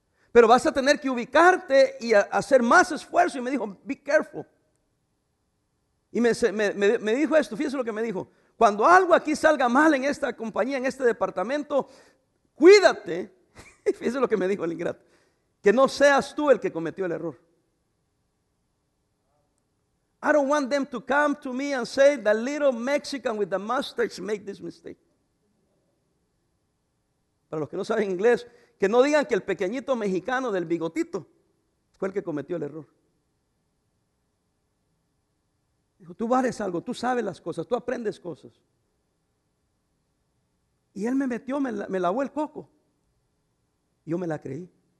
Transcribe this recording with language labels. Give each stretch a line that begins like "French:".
Spanish: Pero vas a tener que ubicarte y hacer más esfuerzo. Y me dijo,
English: be careful.
Spanish: Y me dijo esto, fíjese lo que me dijo. Cuando algo aquí salga mal en esta compañía, en este departamento, cuídate. Fíjese lo que me dijo el ingrato. Que no seas tú el que cometió el error.
English: I don't want them to come to me and say, the little Mexican with the mustache made this mistake.
Spanish: Para los que no saben inglés, que no digan que el pequeñito mexicano del bigotito fue el que cometió el error. Dijo, tú vales algo, tú sabes las cosas, tú aprendes cosas. Y él me metió, me lavó el coco. Yo me la creí.